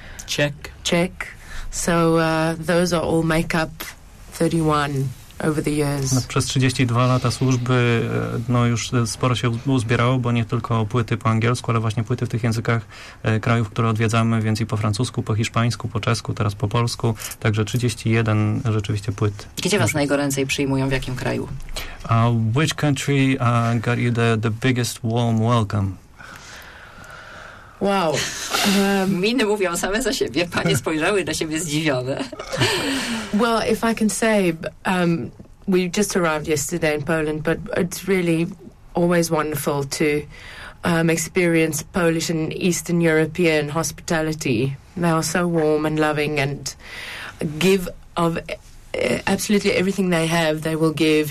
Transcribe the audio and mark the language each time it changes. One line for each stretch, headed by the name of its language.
English: Czech. So those are all make up 31 over the years.
Polish: No, przez 32 lata służby już sporo się uzbierało, bo nie tylko płyty po angielsku, ale właśnie płyty w tych językach krajów, które odwiedzamy, więc i po francusku, po hiszpańsku, po czesku, teraz po polsku. Także 31 rzeczywiście płyt. Gdzie was najgoręcej przyjmują, w jakim kraju?
English: Which country got you the biggest warm welcome? Wow.
Polish: Miny mówią same za siebie. Panie spojrzały na siebie zdziwione.
English: Well, if I can say, we just arrived yesterday in Poland, but it's really always wonderful to experience Polish and Eastern European hospitality. They are so warm and loving and give of absolutely everything they have, they will give.